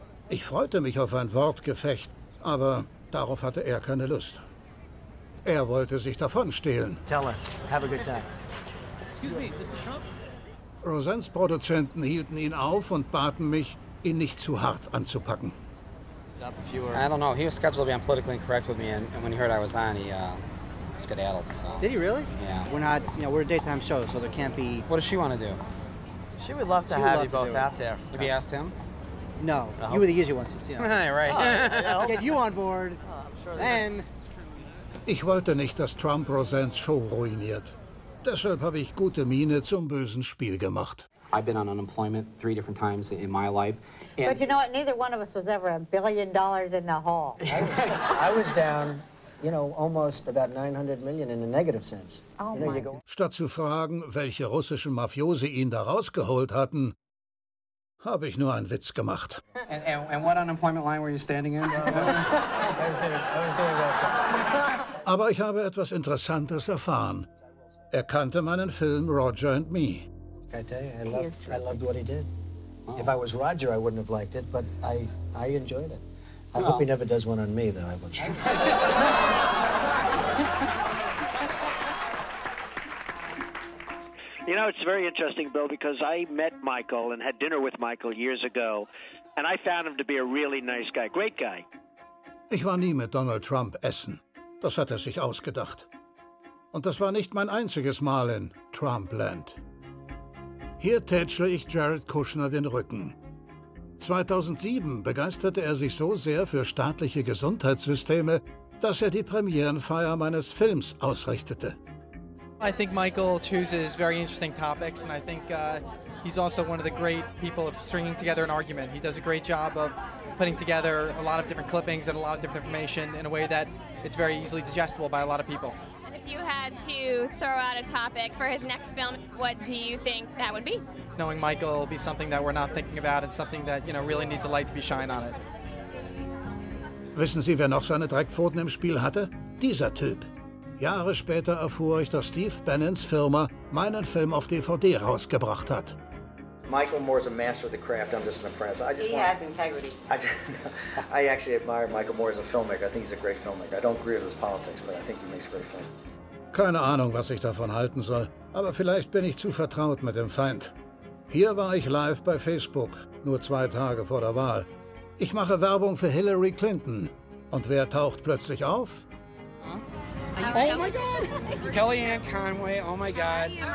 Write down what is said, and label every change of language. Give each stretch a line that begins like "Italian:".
German: Ich freute mich auf ein Wortgefecht, aber darauf hatte er keine Lust. Er wollte sich davonstehlen.
English: Tell us. Have a good time. Excuse me, Mr. Trump?
German: Roseannes Produzenten hielten ihn auf und baten mich, ihn nicht zu hart anzupacken.
English: I don't know. He was scheduled to be on Politically Incorrect with me, and when he heard I was on, he skedaddled. So. Did he really? Yeah. We're not, you know, we're a daytime show, so there can't be. What does she want to do? She would love to have you both out there. Have you asked him? No. Uh-huh. You were the easy ones to see. Right. Get you on board. Then.
German: Ich wollte nicht, dass Trump Roseannes Show ruiniert. Deshalb habe ich gute Miene zum bösen Spiel gemacht.
English: I've been on unemployment 3 different times in my life. And but you know what? Neither one of us was ever $1 billion in the hole. I was down, you know, almost about 900 million in a negative sense. Oh you know, my.
German: Statt zu fragen, welche russischen Mafiosi ihn da rausgeholt hatten, habe ich nur einen Witz gemacht.
English: And what unemployment line were you standing in? I was doing that.
German: Aber ich habe etwas Interessantes erfahren. Er kannte meinen Film Roger and Me.
English: I tell you, I loved what he did. Oh. If I was Roger, I wouldn't have liked it, but I enjoyed it. I hope he never does one on me, though, I will say. You know, it's very interesting, Bill, because I met Michael and had dinner with Michael years ago, and I found him to be a really nice guy, great guy.
German: Ich war nie mit Donald Trump essen. Das hat er sich ausgedacht. Und das war nicht mein einziges Mal in Trumpland. Hier tätschle ich Jared Kushner den Rücken. 2007 begeisterte er sich so sehr für staatliche Gesundheitssysteme, dass er die Premierenfeier meines Films ausrichtete.
English: I think Michael chooses very interesting topics, and I think he's also one of the great people of stringing together an argument. He does a great job of putting together a lot of different clippings and a lot of different information in a way that it's very easily digestible by a lot of people. If you had to throw out a topic for his next film, what do you think that would be? Knowing Michael will be something that we're not thinking about and something that, you know, really needs a light to be shined on it.
German: Wissen Sie, wer noch seine Dreckpfoten im Spiel hatte? Dieser Typ. Jahre später erfuhr ich, dass Steve Bannons Firma meinen Film auf DVD rausgebracht hat.
English: Michael Moore is a master of the craft. I'm just an apprentice. He has integrity. I actually admire Michael Moore as a filmmaker. I think he's a great filmmaker. I don't agree with his politics, but I think he makes great films.
German: Keine Ahnung, was ich davon halten soll. Aber vielleicht bin ich zu vertraut mit dem Feind. Hier war ich live bei Facebook, nur 2 Tage vor der Wahl. Ich mache Werbung für Hillary Clinton. Und wer taucht plötzlich auf?
English: Oh my God!
German: Kellyanne Conway.
English: Oh my God!